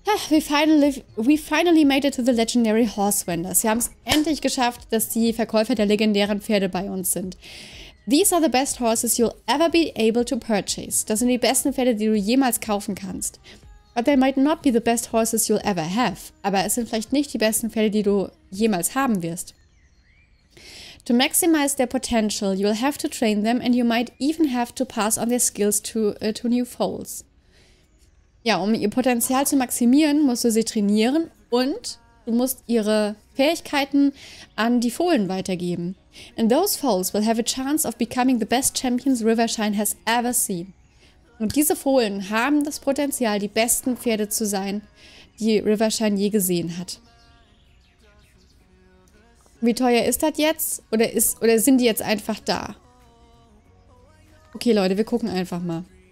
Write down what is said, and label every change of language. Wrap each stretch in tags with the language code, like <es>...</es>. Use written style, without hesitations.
<en>We finally made it to the legendary horse vendors.</en> <de>Wir haben es endlich geschafft, dass die Verkäufer der legendären Pferde bei uns sind.</de> <en>These are the best horses you'll ever be able to purchase.</en> <de>Das sind die besten Pferde, die du jemals kaufen kannst.</de> <en>But they might not be the best horses you'll ever have.</en> <de>Aber es sind vielleicht nicht die besten Pferde, die du jemals haben wirst.</de> <en>To maximize their potential, you'll have to train them and you might even have to pass on their skills to new foals.</en> <de>Ja, um ihr Potenzial zu maximieren, musst du sie trainieren und du musst ihre Fähigkeiten an die Fohlen weitergeben.</de> <en>And those foals will have a chance of becoming the best champions Rivershine has ever seen.</en> <de>Und diese Fohlen haben das Potenzial, die besten Pferde zu sein, die Rivershine je gesehen hat. Wie teuer ist das jetzt? Oder sind die jetzt einfach da? Okay, Leute, wir gucken einfach mal.</de>